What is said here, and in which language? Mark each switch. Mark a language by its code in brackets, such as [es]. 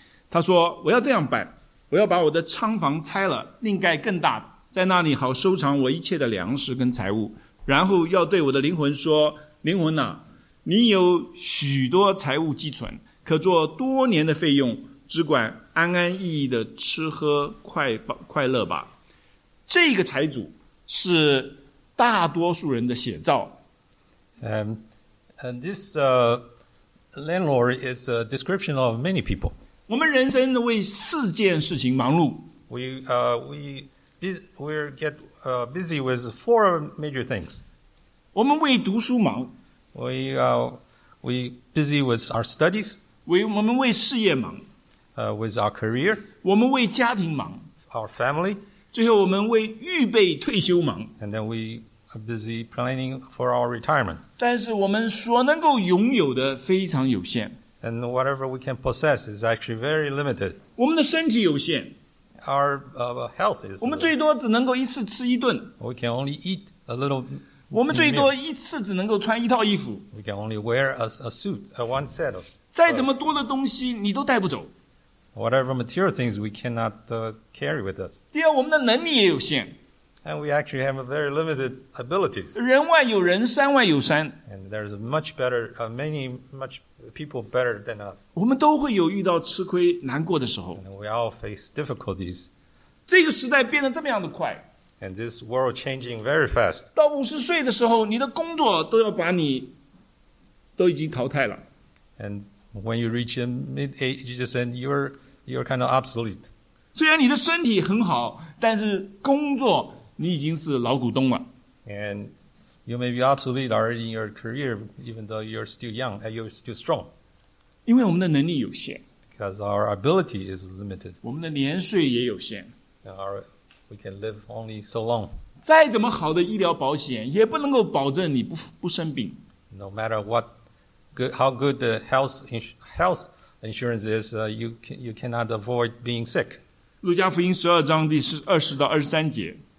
[zh] 他说我要这样办，我要把我的仓房拆了，另盖更大，在那里好收藏我一切的粮食跟财物，然后要对我的灵魂说，灵魂呐、啊，你有许多财物积存，可做多年的费用，只管安安逸逸的吃喝快乐吧。这个财主是大多数人的写照。 [en] This landlord is a description of many people. [zh] 我们人生为四件事情忙碌。 [en] We get busy with four major things. [zh] 我们为读书忙。 [en] We busy with our studies. [zh] 我们为事业忙。 [en] With our career. [zh] 我们为家庭忙。 [en] Our family. [zh] 最后我们为预备退休忙。 [en] And then we are busy planning for our retirement. [zh] 但是我们所能够拥有的非常有限。 [en] And whatever we can possess is actually very limited. [zh] 我们的身体有限。 [en] Our health is. [zh] 我们最多只能够一次吃一顿。 [en] We can only eat a little. [zh] 我们最多一次只能够穿一套衣服。 [en] We can only wear a suit, one set of. [zh] 再怎么多的东西你都带不走。 [en] Whatever material things we cannot carry with us. [zh] 第二，我们的能力也有限。 [en] And we actually have a very limited abilities. [zh] 人外有人，山外有山。 [en] And there's many people better than us. [zh] 我们都会有遇到吃亏难过的时候。 [en] And we all face difficulties. [zh] 这个时代变得这么样的快。 [en] And this world changing very fast. [zh] 到五十岁的时候，你的工作都要把你都已经淘汰了。 [en] And when you reach a mid age, you say you're kind of obsolete. [zh] 虽然你的身体很好，但是工作你已经是老股东了。 [en] And you may be obsolete already in your career, even though you're still young and you're still strong. [zh] 因为我们的能力有限。 [en] Because our ability is limited. [zh] 我们的年岁也有限。 [en] We can live only so long. [zh] 再怎么好的医疗保险也不能够保证你 不生病。 [en] No matter what, how good the health insurance is, you cannot avoid being sick. [zh] 路加福音十二章第二十到二十三节。